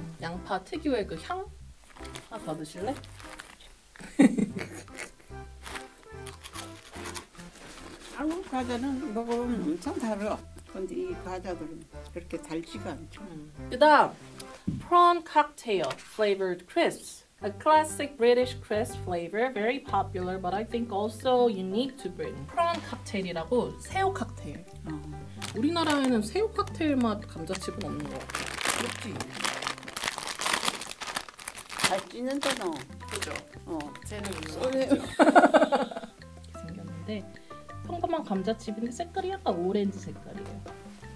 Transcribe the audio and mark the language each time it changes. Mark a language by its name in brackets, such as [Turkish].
[Korean] 양파 특유의 그 향? 아, 더 드실래? 한국 과자는 먹으면 엄청 달아. 근데 이 과자들은 그렇게 달지가 않죠. 그다음 [English] prawn cocktail flavored crisps. A classic British crisp flavor, very popular, but I think also unique to Britain. [Korean] prawn cocktail이라고 새우 칵테일. 우리나라에는 새우 칵테일 맛 감자칩은 없는 것 같아. 그렇지. 잘 찌는다나. 그죠. 쟤는 이렇게 생겼는데 평범한 감자칩인데 색깔이 약간 오렌지 색깔이에요.